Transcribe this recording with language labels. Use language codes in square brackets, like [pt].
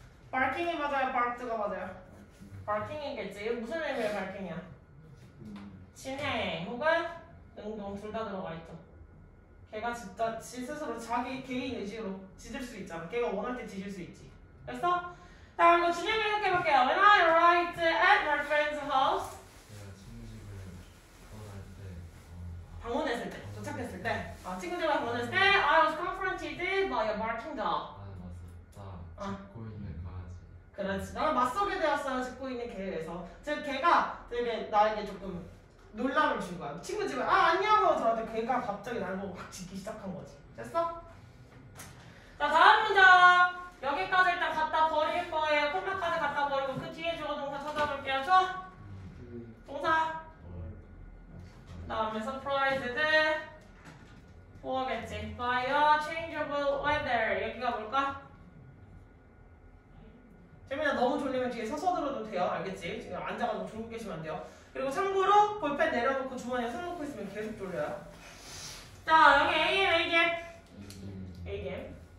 [ko] barking이 맞아요? barked가 맞아요? barking이겠지. 이게 무슨 의미의 barking이야? 진행 혹은 능동 둘 다 들어가 있죠. 걔가 진짜 지 스스로 자기 개인 의지로 짖을 수 있잖아. 걔가 원할 때 짖을 수 있지. 됐어? 다음 거 진행을 해석해 볼게요. [en] When I arrived at my friend's house. [ko] 방문했을 때. 도착했을 때. 아, 친구들과 보냈을 때 [en] I was confronted by a barking dog. [ko] 아, 맞다. 짖고 있는 강아지. 그렇지. 나는 맞서게 되었어요. 짖고 있는 개에서. 즉, 걔가 되게 나에게 조금 놀람을 준 거야. 친구 집에 아, 안녕 하더라도 걔가 갑자기 날 보고 확 짖기 시작한 거지. 됐어? 자, 다음 문장. 여기까지 일단 갖다 버릴 거예요. 콤마까지 갖다 버리고 그 뒤에 주어 동사 찾아볼게요. 좋아? 동사. 다음에 [en] surprised for [ko] 겠지. [en] by a changeable weather. [ko] 여기 가볼까? 재민아 너무 졸리면 뒤에 서서 들어도 돼요. 알겠지? 지금 앉아가지고 졸고 계시면 안 돼요. 그리고 참고로 볼펜 내려놓고 주머니에 손 놓고 있으면 계속 졸려요. 자, 여기 AM, AM. AM.